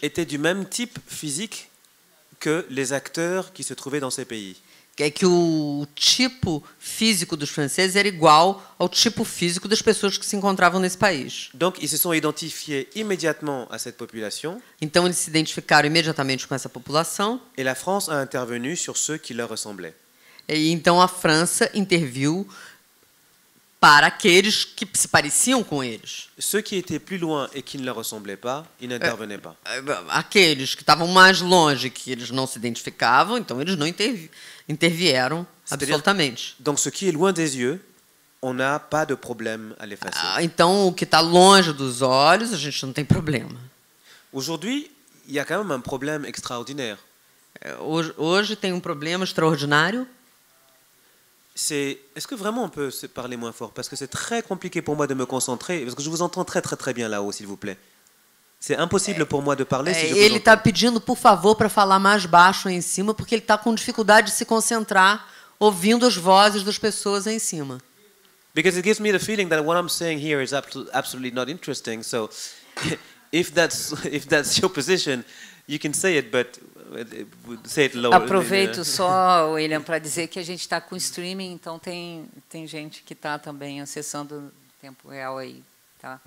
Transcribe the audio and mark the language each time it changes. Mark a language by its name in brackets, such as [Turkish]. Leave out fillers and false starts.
[French] était du même type physique que les acteurs qui se trouvaient dans ces pays. [Portuguese] É que o tipo físico dos franceses era igual ao tipo físico das pessoas que se encontravam nesse país. [French] Donc ils se sont identifiés immédiatement à cette population. [Portuguese] Então eles se identificaram imediatamente com essa população. [French] Et la France a intervenu sur ceux qui leur ressemblaient. [Portuguese] Então a França interviu para aqueles que se pareciam com eles. [French] Ceux qui étaient plus loin et qui ne leur ressemblaient pas, ils n'intervenaient pas. [Portuguese] Aqueles que estavam mais longe, que eles não se identificavam, então eles não intervieram absolutamente. [French] Donc ce qui est loin des yeux, on n'a pas de problème à l'effacer. [Portuguese] Então o que está longe dos olhos, a gente não tem problema. [French] Aujourd'hui, il y a quand même un problème extraordinaire. [Portuguese] Hoje tem problema extraordinário. [French] Est-ce que vraiment on peut parler moins fort? Parce que c'est très compliqué pour moi de me concentrer. Parce que je vous entends très très très bien là-haut, s'il vous plaît. C'est impossible pour moi de parler si je [Portuguese] ele está pedindo, por favor, para falar mais baixo aí em cima, porque ele está com dificuldade de se concentrar ouvindo as vozes das pessoas aí em cima. [English] Because it gives me the feeling that what I'm saying here is absolutely not interesting. So if that's your position, you can say it, but say it lower. [Portuguese] Aproveito só, William, para dizer que a gente está com streaming, então tem gente que está também acessando tempo real aí, tá?